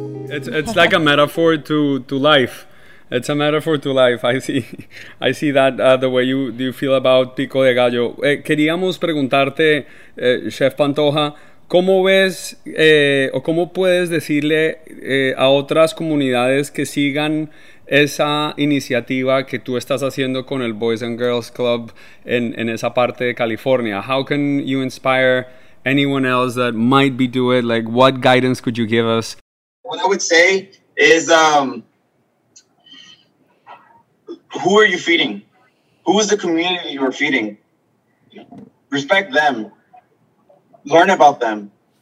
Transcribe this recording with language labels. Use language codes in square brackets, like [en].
[en] It's like a metaphor to life. It's a metaphor to life. I see that the way you feel about pico de gallo. [es] Queríamos preguntarte, Chef Pantoja, ¿cómo ves o cómo puedes decirle a otras comunidades que sigan esa iniciativa que tú estás haciendo con el Boys and Girls Club en esa parte de California? [en] How can you inspire anyone else that might be doing it? Like, what guidance could you give us? What I would say is, who are you feeding? Who is the community you are feeding? Respect them. Learn about them.